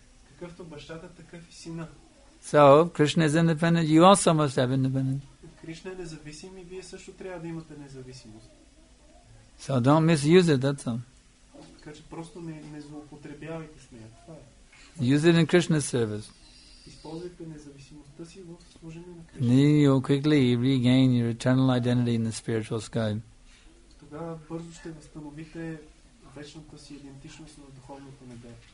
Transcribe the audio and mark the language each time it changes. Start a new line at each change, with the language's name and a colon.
Bulgarian: Какъвто бащата, такъв и сина.
English: So, Krishna is independent, you also must have independence.
Bulgarian: Кришна е независим и вие също трябва да имате независимост.
English: So don't misuse it, that's all.
Bulgarian: Така че просто не злоупотребявайте с нея.
English: Use it in Krishna's service.
Bulgarian: Използвайте независимостта си в служение на Кришна.
English: Then you quickly regain your eternal identity in the spiritual sky.
Bulgarian: Тогава бързо ще възстановите вечната си идентичност на духовното небе.